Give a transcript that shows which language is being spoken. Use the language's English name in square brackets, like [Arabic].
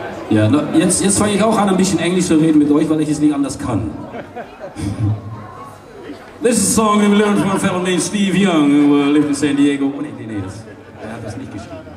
[German] Ja, jetzt fange ich auch an, ein bisschen Englisch zu reden mit euch, weil ich es nicht anders kann. [English] This is a song that we learned from a fellow named Steve Young, who lived in San Diego. [German] Oh, nee, nee, nee, das, der hat das nicht geschrieben.